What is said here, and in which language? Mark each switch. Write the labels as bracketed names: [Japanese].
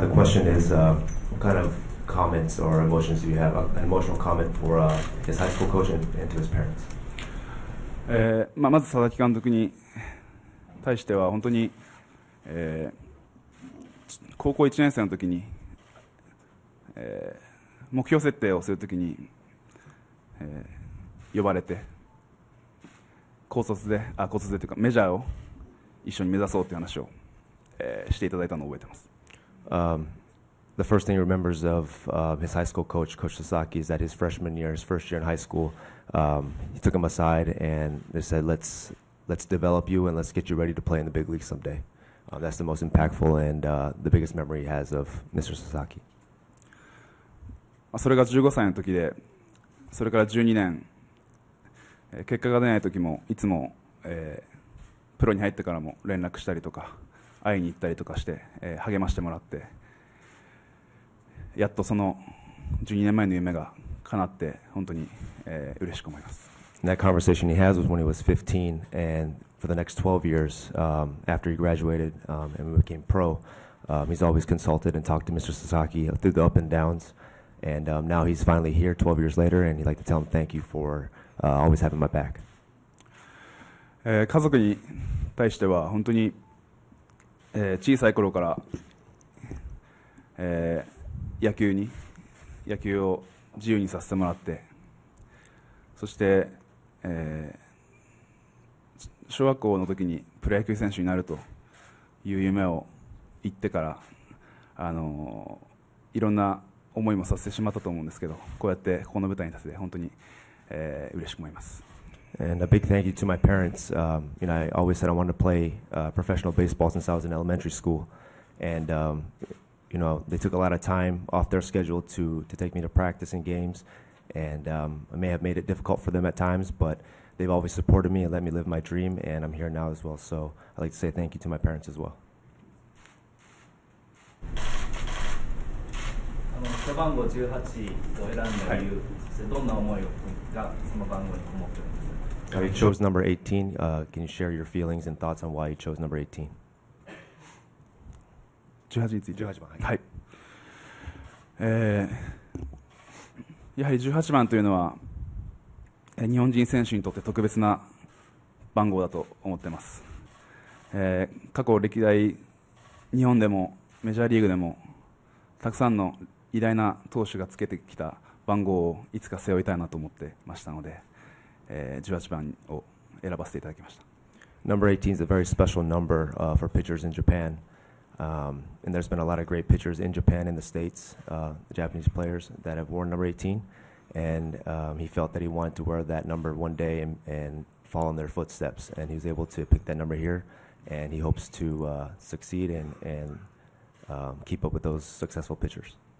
[English] The question is, what kind of comments or emotions do you have? An emotional comment for his high school coach and to his parents. [Japanese] まず佐々木監督に対しては本当に、高校1年生の時に、目標設定をする時に、呼ばれて高卒で、高卒でというかメジャーを一緒に目指そうという話を、していただいたのを覚えています。 [English] The first thing he remembers of his high school coach, Coach Sasaki, is that his freshman year, his first year in high school, he took him aside and they said, let's develop you and let's get you ready to play in the big league someday. That's the most impactful and the biggest memory he has of Mr. Sasaki. [Japanese] それが15歳の時で、それから12年、結果が出ない時もいつも、プロに入ってからも連絡したりとか会いに行ったりとかして、励ましてもらって、やっとその12年前の夢が叶って本当に、嬉しく思います。 [English] That conversation he has was when he was 15, and for the next 12 years after he graduated and became pro, he's always consulted and talked to Mr. Sasaki through the up and downs, and now he's finally here 12 years later, and he'd like to tell him thank you for always having my back. [Japanese] 家族に対しては本当に、小さい頃から、野球を自由にさせてもらって、そして、小学校の時にプロ野球選手になるという夢を言ってから、いろんな思いもさせてしまったと思うんですけど、こうやってここの舞台に立てて本当に、嬉しく思います。 [English] And a big thank you to my parents. You know, I always said I wanted to play professional baseball since I was in elementary school, and you know, they took a lot of time off their schedule to take me to practice and games, and I may have made it difficult for them at times, but they've always supported me and let me live my dream, and I'm here now as well, so I'd like to say thank you to my parents as well. [Japanese] 背番号18を選んだ理由、はい、そしてどんな思いがその番号に持っているんですか。 [English] You chose number 18. Can you share your feelings and thoughts on why you chose number 18? [Japanese] 18について。 18番。はい。やはり18番というのは日本人選手にとって特別な番号だと思っています。過去歴代日本でもメジャーリーグでもたくさんの偉大な投手がつけてきた番号をいつか背負いたいなと思ってましたので、18番を選ばせていただきました。 [English] Number 18 is a very special number for pitchers in Japan. And there's been a lot of great pitchers in Japan and the States, the Japanese players that have worn number 18. And he felt that he wanted to wear that number one day and follow in their footsteps. And he was able to pick that number here. And he hopes to succeed and keep up with those successful pitchers.